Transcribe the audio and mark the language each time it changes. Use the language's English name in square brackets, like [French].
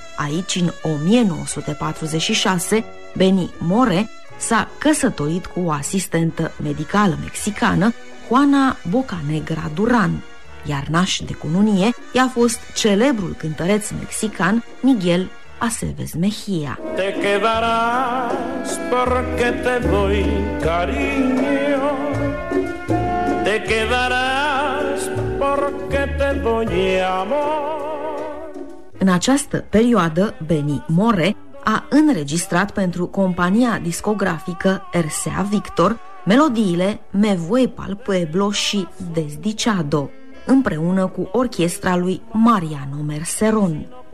[Romanian] Aici, în 1946, Benny More s-a căsătorit cu o asistentă medicală mexicană, Juana Bocanegra Duran, iar naș de cununie i-a fost celebrul cântăreț mexican Miguel Aceves Mejía. [Spanish] Te quedarás porque te doy cariño. Te quedarás porque te doy amor. [Romanian] În această perioadă, Benny More a înregistrat pentru compania discografică RCA Victor melodiile Me voy pa'l pueblo și Desdichado, împreună cu orchestra lui Mariano Mercerón.